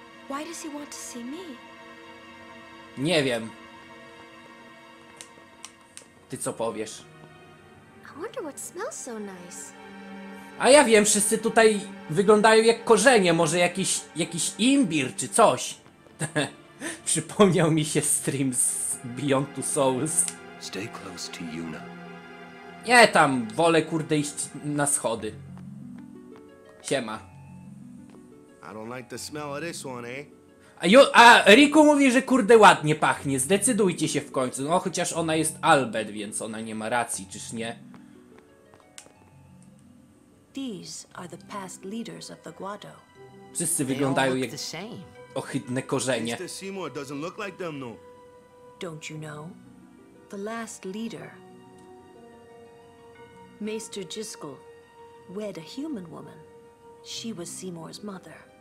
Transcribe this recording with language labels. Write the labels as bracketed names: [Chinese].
[English] Why does he want to see me? [Polish] Nie wiem. Ty co powiesz? [English] I wonder what smells so nice. [Polish] A ja wiem, wszyscy tutaj wyglądają jak korzenie, może jakiś imbir czy coś. Przypomniał mi się stream z Beyond Two Souls. [English] Stay close to Yuna. [Polish] Nie tam, wolę kurde iść na schody. Siema. [English] I don't like the smell of this one, eh? [Polish] A Riku mówi, że kurde ładnie pachnie. Zdecydujcie się w końcu. No chociaż ona jest Albed, więc ona nie ma racji, czyż nie? [English] These are the past leaders of the Guado. [Polish] Wszyscy wyglądają jak ohydne korzenie. [English] Mr. Seymour doesn't look like them, no. Don't you know? The last leader, Maester Jiskel, wed a human woman. She was Seymour's mother.